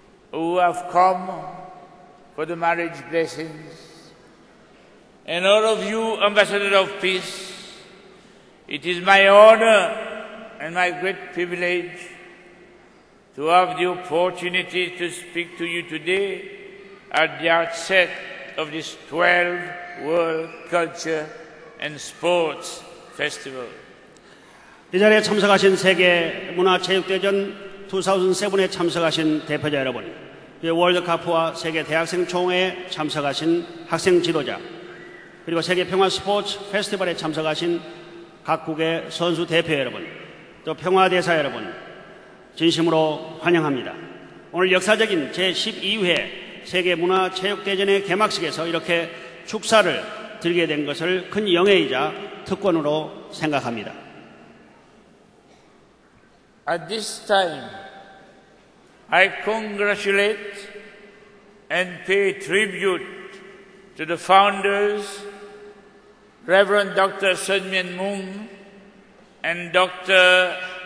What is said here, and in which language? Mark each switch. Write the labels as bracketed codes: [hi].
[en] who have come for the marriage blessings, and all of you, Ambassador of Peace, it is my honor and my great privilege to have the opportunity to speak to you today at the outset of this 12th World Culture and Sports Festival. [ko] 이 자리에 참석하신 세계 문화 체육 대전 2007에 참석하신 대표자 여러분, 월드컵과 세계 대학생 총회에 참석하신 학생 지도자, 그리고 세계 평화 스포츠 페스티벌에 참석하신 각국의 선수 대표 여러분, 또 평화 대사 여러분, 진심으로 환영합니다. 오늘 역사적인 제12회 세계 문화 체육 대전의 개막식에서 이렇게 축사를 드리게 된 것을 큰 영예이자 특권으로 생각합니다. [en] At this time, I congratulate and pay tribute to the founders, Reverend Dr. Sun Myint Moon and Dr.